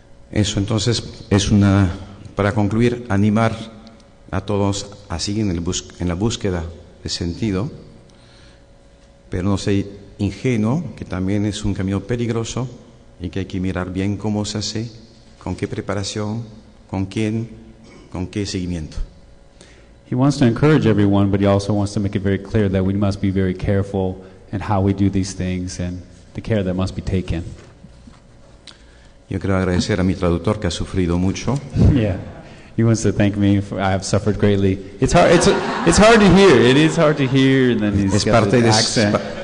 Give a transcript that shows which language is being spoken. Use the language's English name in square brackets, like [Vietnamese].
[Spanish] Eso entonces es una, para concluir, animar a todos a seguir en la búsqueda de sentido, pero no ser ingenuo, que también es un camino peligroso y que hay que mirar bien cómo se hace, con qué preparación, con quién, con qué seguimiento. [English] He wants to encourage everyone, but he also wants to make it very clear that we must be very careful in how we do these things and the care that must be taken. [Spanish] Yo quiero agradecer a mi traductor que ha sufrido mucho. [English] Yeah, he wants to thank me. I have suffered greatly. It's hard to hear. It is hard to hear. And then he's got the accent.